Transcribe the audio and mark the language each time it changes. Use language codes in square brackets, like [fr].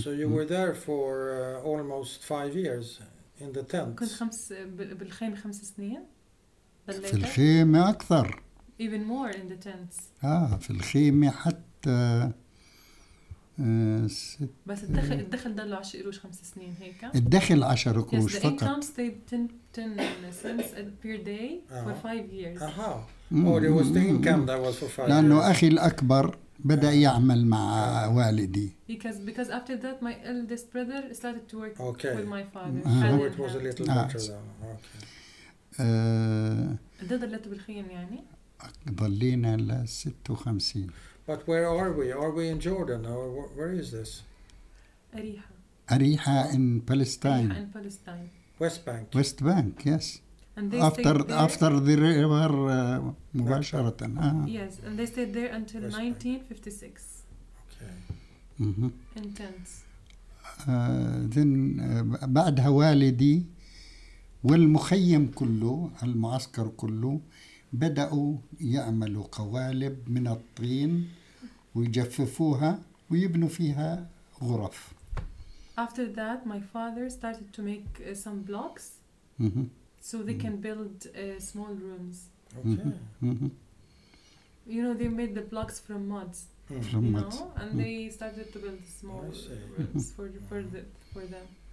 [en] So you were there for almost 5 years. In the tent. [ar] كنت بالخيمة 5 سنين. في الخيمة أكثر. Even more in the tents. في الخيمة حتى. بس الدخل دلوا 10 قروش 5 سنين هيك. الدخل 10 قروش فقط. [en] The income stayed 10 cents per day for 5 years. Or it was the income that was for 5 years. [ar] لأنه أخي الأكبر. بدأ يعمل مع والدي. [en] Because after that my eldest brother started to work with my father. So it was a little better [ar] than. ضليت بالخيم يعني. ضلينا 56. [en] But where are we? Are we in Jordan or where is this? [ar] أريحة. [en] أريحة in Palestine. أريحة in Palestine. West Bank. West Bank, yes. And they after the river مباشرة. Yes, and they stayed there until 1956. Okay. In tents. Then [ar] بعدها والدي والمخيم كله المعسكر كله بدأوا يعملوا قوالب من الطين ويجففوها ويبنوا فيها غرف. [en] After that, my father started to make some blocks. So they can build small rooms. Okay. You know, they made the blocks from mud. From mud. You know, and they started to build small rooms for them.